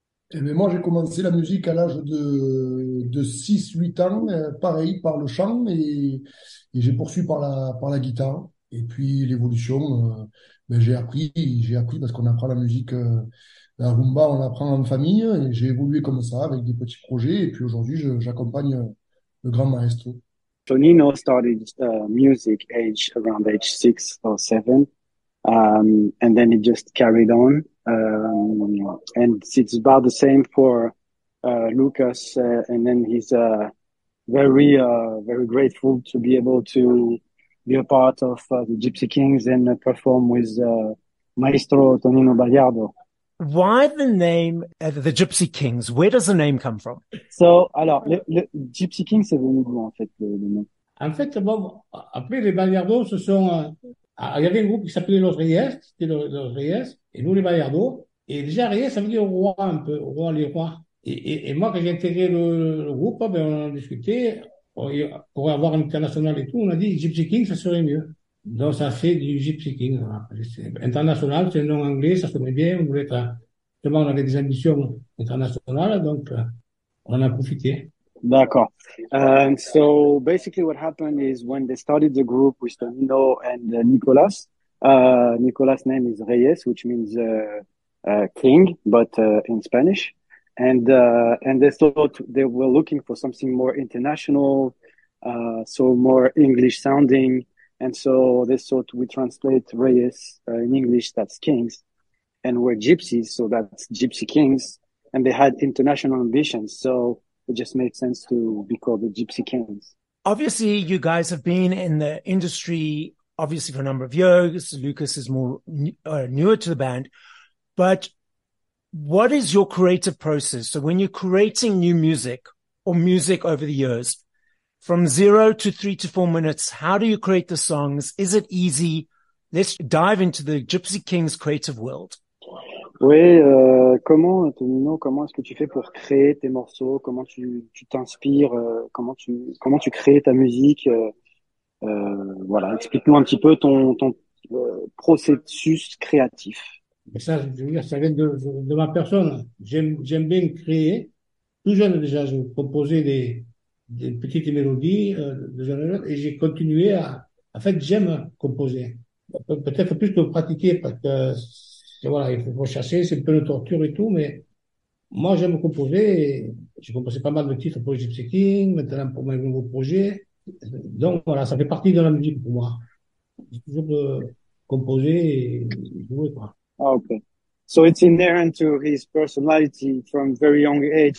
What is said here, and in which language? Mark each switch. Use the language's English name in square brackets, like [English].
[French] Eh bien, moi, j'ai commencé la musique à l'âge de 6-8 ans, pareil, par le chant et j'ai poursuivi par la guitare. Et puis, l'évolution, j'ai appris parce qu'on apprend la musique. La rumba, on l'apprend en famille. Et j'ai évolué comme ça avec des petits projets. Et puis aujourd'hui, j'accompagne le grand maestro. [English] Tonino started music age around age 6 or 7, and then it just carried on. And it's about the same for Lucas. And then he's very grateful to be able to be a part of the Gipsy Kings and perform with maestro Tonino Baliardo. Why the name the Gipsy Kings? Where does the name come from? [French] So, alors, le Gipsy Kings, c'est venu de où, en fait, le nom? En fait, bon, après, les Baliardo, ce sont... il y avait un groupe qui s'appelait Los Reyes, c'était Los Reyes, et nous, les Baliardo. Et déjà, Reyes, ça veut dire roi, un peu, roi, les rois. Et moi, quand j'ai intégré le groupe, ben, on a discuté, pour avoir un international et tout, on a dit Gipsy Kings, ça serait mieux. Donc, ça fait du Gipsy King. International, c'est un nom anglais, ça sonnait bien. On voulait être. Justement, on avait des ambitions internationales, donc on en a profité. D'accord. [English] So, basically, what happened is when they started the group with Tonino and Nicolas, Nicolas' name is Reyes, which means king, but in Spanish. And they thought they were looking for something more international, so more English sounding. And so they thought we translate Reyes in English, that's kings, and we're gypsies, so that's Gipsy Kings. And they had international ambitions, so it just made sense to be called the Gipsy Kings. Obviously, you guys have been in the industry, obviously, for a number of years. Lucas is more newer to the band. But what is your creative process? So when you're creating new music or music over the years, from 0 to 3 to 4 minutes, how do you create the songs? Is it easy? Let's dive into the Gipsy Kings creative world. [French] Oui, comment, Tonino, comment est-ce que tu fais pour créer tes morceaux? Comment tu t'inspires? Comment tu crées ta musique? Voilà, explique-nous un petit peu ton processus créatif. Mais ça, je veux dire, ça vient de ma personne. J'aime bien créer. Tout jeune déjà, je composais des petites mélodies, et j'ai continué à. En fait, j'aime composer. Peut-être plus que pratiquer, parce que voilà, il faut chasser, c'est un peu de torture et tout, mais moi j'aime composer. J'ai composé pas mal de titres pour Gipsy King, maintenant pour mes nouveaux projets. Donc voilà, ça fait partie de la musique pour moi. J'ai toujours composé et jouer, quoi. Ah, ok. [English] So it's inherent to his personality from very young age.